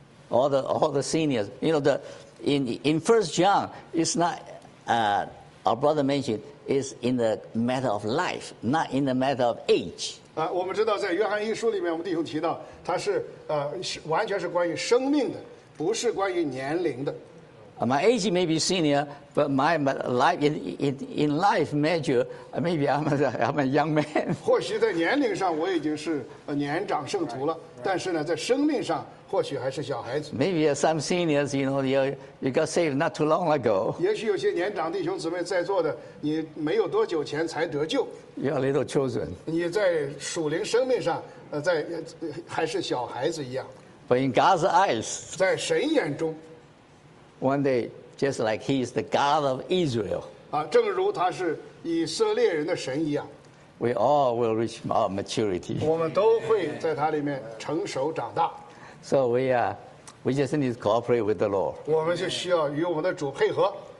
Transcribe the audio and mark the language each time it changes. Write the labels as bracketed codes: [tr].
[en] All the seniors, you know, in First John, it's not our brother mentioned, it's in the matter of life, not in the matter of age. [zh] 我们知道在约翰一书里面，我们弟兄提到，它是完全是关于生命的，不是关于年龄的。 [en] My age may be senior, but my life in life measure, maybe I'm a young man. [zh] 或许在年龄上我已经是年长圣徒了，但是呢，在生命上或许还是小孩子。 [en] Maybe some seniors, you know, you got saved not too long ago. [zh] 也许有些年长弟兄姊妹在座的，你没有多久前才得救。 [en] You are little children. [zh] 你在属灵生命上，在还是小孩子一样。 [en] But in God's eyes, [zh] 在神眼中。 [en] One day, just like He is the God of Israel, [zh] 正如他是以色列人的神一样 [en] we all will reach our maturity. [zh] 我们都会在他里面成熟长大 [en] So we just need to cooperate with the Lord. [zh] 我们就需要与我们的主配合